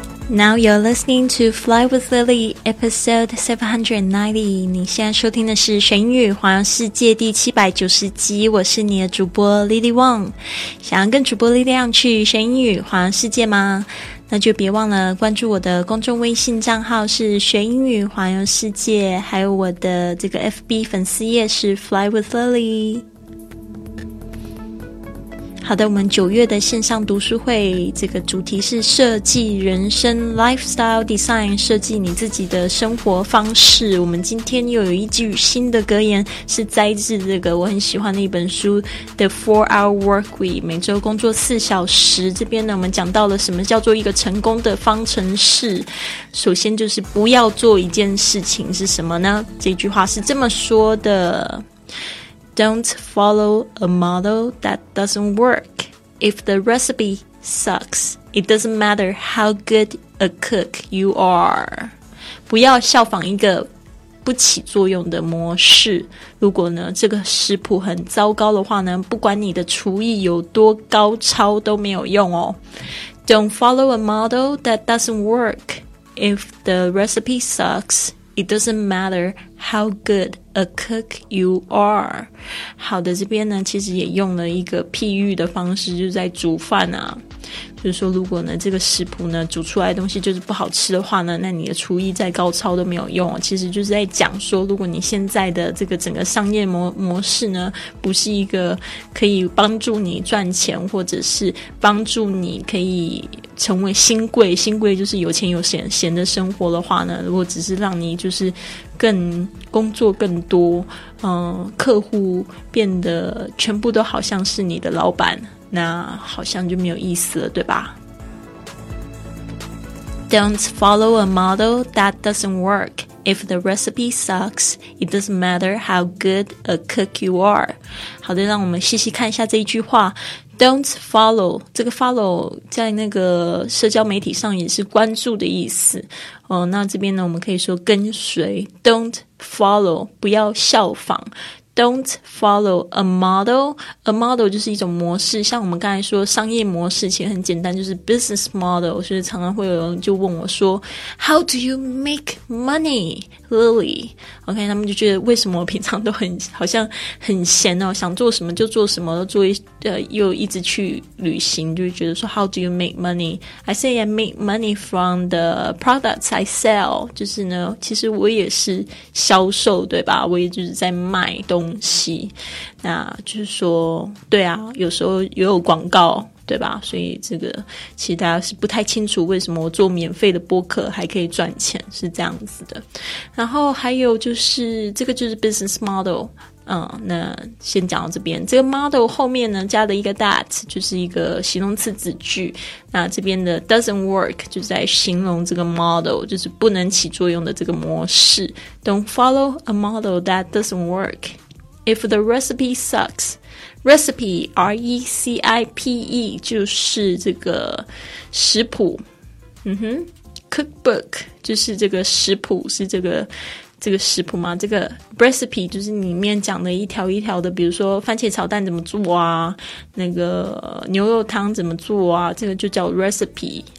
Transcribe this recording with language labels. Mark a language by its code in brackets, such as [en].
[en] Now you're listening to Fly with Lily, episode 790. [zh] 你现在收听的是玄语环游世界第790集，我是你的主播 Lily Wong。想要跟主播力量去玄语环游世界吗？那就别忘了关注我的公众微信账号是玄语环游世界，还有我的这个 FB 粉丝页是 Fly with Lily。好的，我们九月的线上读书会这个主题是设计人生 [en] Lifestyle Design， [zh] 设计你自己的生活方式。我们今天又有一句新的格言，是摘自这个我很喜欢的一本书 The 4-Hour Workweek， 每周工作四小时。这边呢我们讲到了什么叫做一个成功的方程式，首先就是不要做一件事情是什么呢？ [en] 这句话是这么说的，Don't follow a model that doesn't work. If the recipe sucks, it doesn't matter how good a cook you are. [zh] 不要效仿一个不起作用的模式。如果呢，这个食谱很糟糕的话呢，不管你的厨艺有多高超都没有用哦。 [en] Don't follow a model that doesn't work. If the recipe sucks, it doesn't matter how good a cook you are. [zh] 好的，这边呢其实也用了一个譬喻的方式，就是在煮饭啊，就是说如果呢这个食谱呢煮出来的东西就是不好吃的话呢，那你的厨艺再高超都没有用。其实就是在讲说，如果你现在的这个整个商业模式呢不是一个可以帮助你赚钱或者是帮助你可以成为新贵，就是有钱有闲的生活的话呢，如果只是让你就是更工作更多，客户变得全部都好像是你的老板，那好像就没有意思了，对吧？ [en] Don't follow a model that doesn't work. If the recipe sucks, it doesn't matter how good a cook you are. [zh] 好的，让我们细细看一下这一句话。 [en] Don't follow， [zh] 这个 follow 在那个社交媒体上也是关注的意思哦。那这边呢我们可以说跟随， [en] Don't follow， [zh] 不要效仿。 [en] Don't follow a model. [zh] A model 就是一种模式，像我们刚才说商业模式其实很简单，就是 [en] business model。所以常常会有人就问我说 How do you make money, Lily? [zh] OK， 他们就觉得为什么我平常都很好像很闲哦，想做什么就做什么，做又一直去旅行，就觉得说 [en] How do you make money? I say I make money from the products I sell. [zh] 就是呢其实我也是销售，对吧？我也就是在卖东西，那就是说对啊，有时候也有广告，对吧？所以这个其实大家是不太清楚为什么我做免费的播客还可以赚钱，是这样子的。然后还有就是这个就是 [en] business model。 [zh] 那先讲到这边，这个 model 后面呢加了一个 that， 就是一个形容词子句。那这边的 [en] doesn't work [zh] 就是在形容这个 model， 就是不能起作用的这个模式。 [en] Don't follow a model that doesn't work. If the recipe sucks, [zh] recipe R-E-C-I-P-E 就是这个食谱，cookbook 就是这个食谱，是这个食谱吗？这个 recipe 就是里面讲的一条一条的，比如说番茄炒蛋怎么做啊，那个牛肉汤怎么做啊，这个就叫 recipe。